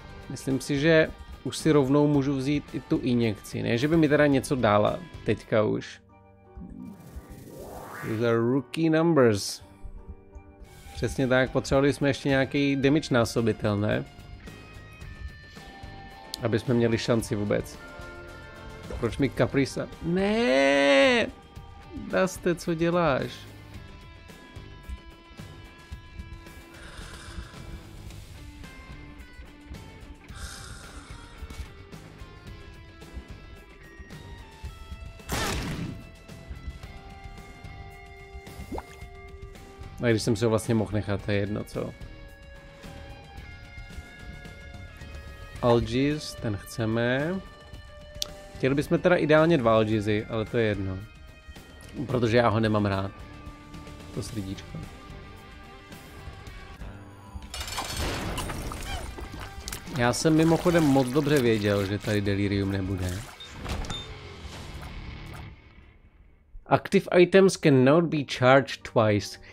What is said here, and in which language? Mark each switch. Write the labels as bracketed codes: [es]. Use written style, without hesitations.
[cs] Myslím si, že už si rovnou můžu vzít i tu injekci, ne, že by mi teda něco dala teďka už. [en] These are rookie numbers. [cs] Přesně tak, potřebovali jsme ještě nějaký damage násobitel, ne? Aby jsme měli šanci vůbec. Proč mi Caprisa? Ne! Daste, co děláš? A když jsem se ho vlastně mohl nechat, to je jedno, co? Algis, ten chceme. Chtěli bychom teda ideálně dva Algizy, ale to je jedno. Protože já ho nemám rád. To srdíčko. Já jsem mimochodem moc dobře věděl, že tady Delirium nebude. [en] Active items cannot be charged twice.